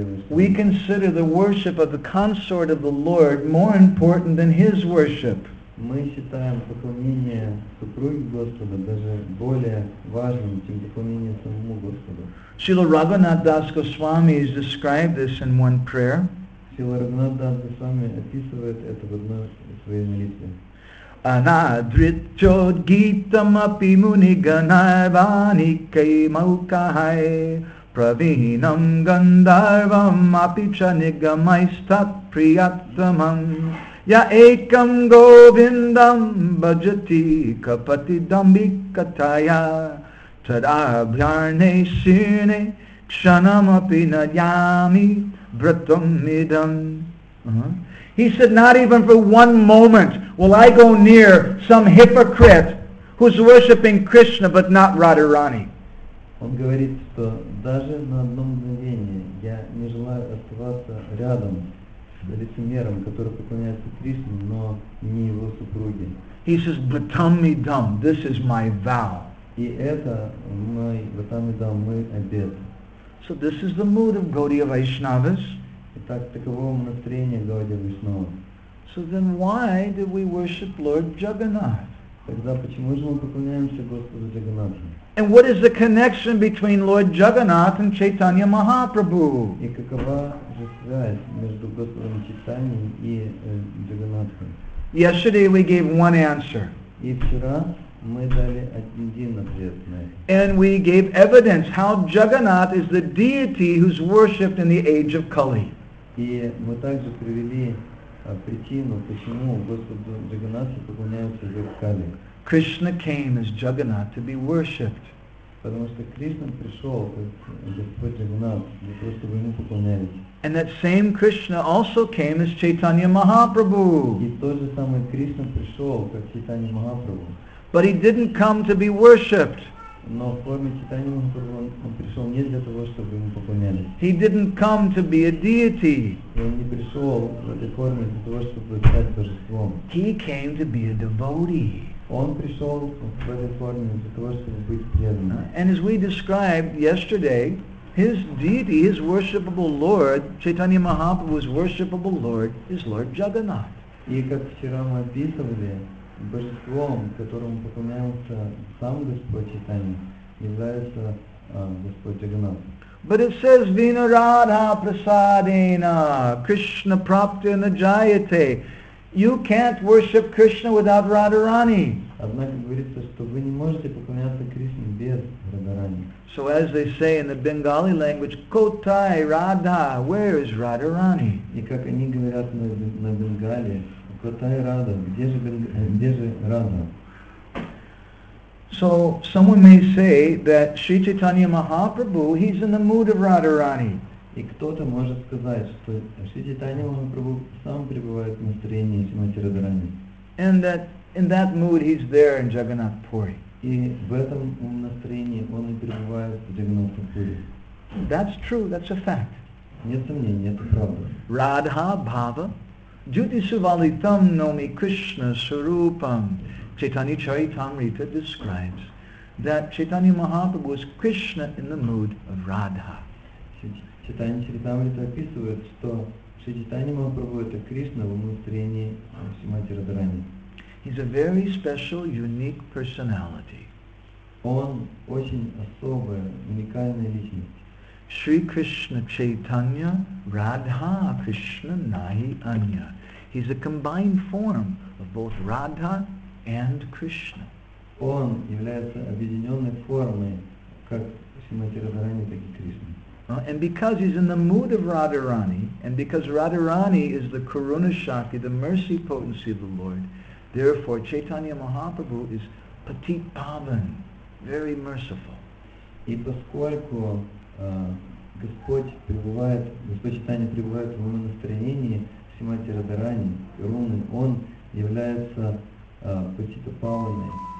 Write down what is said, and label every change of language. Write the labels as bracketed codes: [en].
[en] We consider the worship of the consort of the Lord more important than His worship. [ru] Мы считаем поклонение супруги Господа даже более важным, чем поклонение самому Господу. [en] Srila Raghunath Das Goswami has described this in one prayer. [ru] Srila Raghunath Das Goswami описывает это в одной своей молитве. [sa] Anadritcho gitam api muniganarvani kaimaukahai pravinam gandharvam api cha nigamaistat priyattamam ya ekam govindam bhajati kapati dambikataya tadabhyarne sirne kshanam api nayami vratam idam. [en] He said, not even for one moment will I go near some hypocrite who's worshipping Krishna but not Radharani. [ru] Он говорит, что даже на одно мгновение я не желаю оставаться рядом с лицемером, который поклоняется Кришне, но не его супруге. [en] He says, Bhatamidam, this is my vow. [ru] И это мой Bhatamidam, мой обет. [en] So this is the mood of Gaudiya Vaishnavas. [ru] Итак, таково настроение Гаудия Вайшнава. [en] So then why do we worship Lord Jagannath? [ru] Тогда почему же мы поклоняемся Господу Джаганнатху? [en] And what is the connection between Lord Jagannath and Chaitanya Mahaprabhu? [ru] И какова же связь между Господом Чайтаньей и Джаганнатхом? [en] Yesterday we gave one answer. [ru] И вчера мы дали один ответ на это. [en] And we gave evidence how Jagannath is the deity who's worshipped in the age of Kali. [ru] И мы также привели причину, почему Господу Джаганнатхи поклоняются в Кали. [en] Krishna came as Jagannath to be worshipped. [ru] Потому что Кришна пришел как Господь Джаганнат для того, чтобы ему поклонялись. [en] And that same Krishna also came as Chaitanya Mahaprabhu. [ru] И тот же самый Кришна пришел как Чайтанья Махапрабху. [en] But he didn't come to be worshipped. [ru] Но в форме Чайтанья Махапрабху он пришел не для того, чтобы ему поклонялись. [en] He didn't come to be a deity. [ru] И он не пришел в этой форме для того, чтобы стать божеством. [en] He came to be a devotee. [ru] Он пришел в этой форме для того, чтобы быть преданным. [en] And as we described yesterday, his deity, his worshipable Lord, Chaitanya Mahaprabhu's worshipable Lord, is Lord Jagannath. [ru] И как вчера мы описывали, божеством, которому поклоняется сам Господь Чайтанья, является Господь Джаганнат. [en] But it says, [sa] Vinaradha Prasadena, Krishna Praptena Jayate. [en] You can't worship Krishna without Radharani. [ru] Однако говорится, что вы не можете поклоняться Кришне без Радхарани. [en] So as they say in the Bengali language, [bn] Kotai Radha, [en] where is Radharani? [ru] И как они говорят на Бенгали, [bn] Kotai Radha, [ru] где же Radha? [en] So someone may say that Sri Chaitanya Mahaprabhu, he's in the mood of Radharani. [ru] И кто-то может сказать, что Шри Чайтанья Махапрабху сам пребывает в настроении Шримати Радхарани. [en] And that in that mood he's there in Jagannath Puri. [ru] И в этом настроении он и пребывает в Джагнатхе Пури. [en] That's true, that's a fact. [ru] Нет сомнений, это правда. [sa] Radha Bhava Jyoti Suvalitam Nomi Krishna Sarupam [en] Chaitanya Charitamrita describes that Chaitanya Mahaprabhu is Krishna in the mood of Radha. [ru] Чайтанья Чаритамрита описывает, что Шри Чайтанья Махапрабху это Кришна в умонастроении Шримати Радхарани. [en] He's a very special, unique personality. [ru] Он очень особая, уникальная личность. [sa] Шри Кришна Чайтанья Радха Кришна Нахи Анья. [en] He's a combined form of both Radha and Krishna. [ru] Он является объединенной формой как Шримати Радхарани, так и Кришны. [en] And because he's in the mood of Radharani, and because Radharani is the Karuna Shakti, the mercy potency of the Lord, therefore Chaitanya Mahaprabhu is Patit Pavan, very merciful. [ru] И поскольку Господь Чайтанья пребывает в умонастроении Шримати Радхарани, Каруны, он является Патита Паваной.